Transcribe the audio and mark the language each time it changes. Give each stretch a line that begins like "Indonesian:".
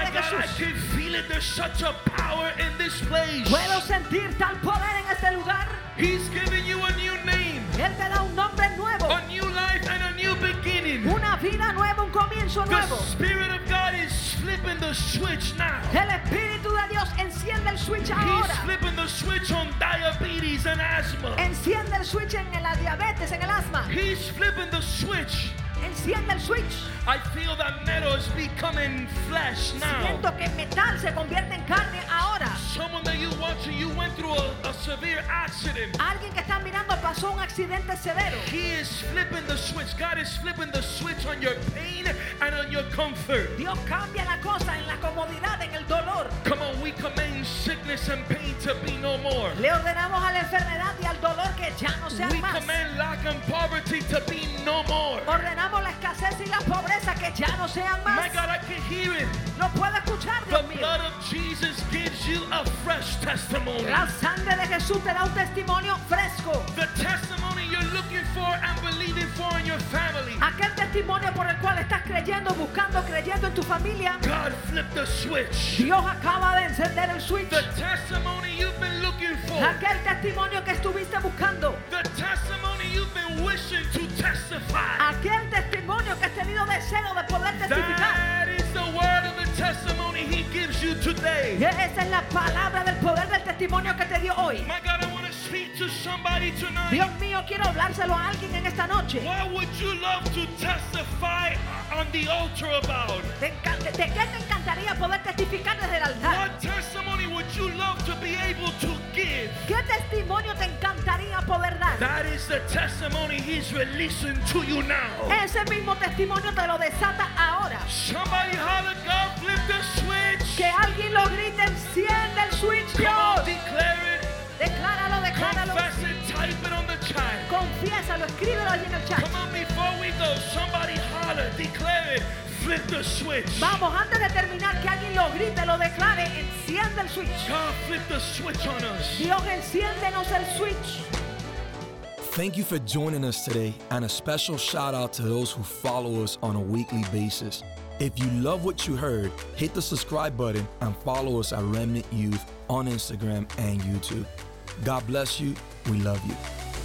Spanish: de Jesús.
English: My God, I can feel it. There's such a power in this place.
Spanish: Puedo sentir tal poder en este lugar.
English: He's giving you a new name.
Spanish: Él te da un nombre nuevo.
English: A new life and a new beginning.
Spanish: Una vida nueva, un comienzo nuevo.
English: The Spirit of God is flipping the switch now.
Spanish: El Espíritu de Dios enciende el switch ahora.
English: He's flipping the switch on diabetes and asthma.
Spanish: Enciende el switch en la diabetes, en el asma.
English: He's flipping the switch.
Spanish: Enciende el switch.
English: I feel that metal is becoming flesh now.
Spanish: Siento que metal se convierte en carne ahora.
English: Someone that you watching, you went through a severe accident.
Spanish: Alguien que está mirando pasó un accidente severo.
English: He is flipping the switch. God is flipping the switch on your pain and on your comfort.
Spanish: Dios cambia la cosa en la comodidad, en el dolor.
English: Come on, we command sickness and pain to be no more.
Spanish: Le ordenamos a la enfermedad y al dolor que ya no sean
English: we
Spanish: más.
English: We command lack and poverty to be no more.
Spanish: Ordenamos la escasez y la pobreza que ya no sean más.
English: My God, I can hear it.
Spanish: Lo puedo escuchar, Dios
English: the
Spanish: mío.
English: Blood of Jesus gives you a fresh testimony.
Spanish: La sangre de Jesús te da un testimonio fresco.
English: The testimony you're looking for and believing for in your family.
Spanish: Aquel testimonio por el cual estás creyendo, buscando, creyendo en tu familia.
English: God flipped the switch.
Spanish: Dios acaba de encender el switch.
English: The testimony you've been looking for.
Spanish: Aquel testimonio que estuviste buscando.
English: The testimony you've been wishing to testify.
Spanish: Aquel testimonio que has tenido deseo de poder testificar.
English: Testimony he gives you today.
Spanish: Esa es la palabra del poder del testimonio que te dio hoy.
English: My God, I want to speak to somebody tonight.
Spanish: Dios mío, quiero hablárselo a alguien en esta noche.
English: What would you love to testify on the altar about?
Spanish: ¿De qué te encantaría poder testificar desde el altar?
English: What testimony would you love to be able to give?
Spanish: ¿Qué testimonio te encantaría poder dar?
English: That is the testimony he's releasing to you now.
Spanish: Ese mismo testimonio te lo desata ahora.
English: Somebody holler, God, flip the switch.
Spanish: Que alguien lo grite, enciende el switch.
English: Come on, declare it.
Spanish: Decláralo, decláralo.
English: Confess it, type it on the chat.
Spanish: Confiésalo, escríbelo allí en el chat.
English: Come on, before we go, somebody holler, declare it. Flip the switch.
Spanish: Vamos, antes de terminar, que alguien lo grite, lo declare, enciende el switch.
English: God, flip the switch on us.
Spanish: Dios, enciéndenos el switch.
English: Thank you for joining us today, and a special shout out to those who follow us on a weekly basis. If you love what you heard, hit the subscribe button and follow us at Remnant Youth on Instagram and YouTube. God bless you. We love you.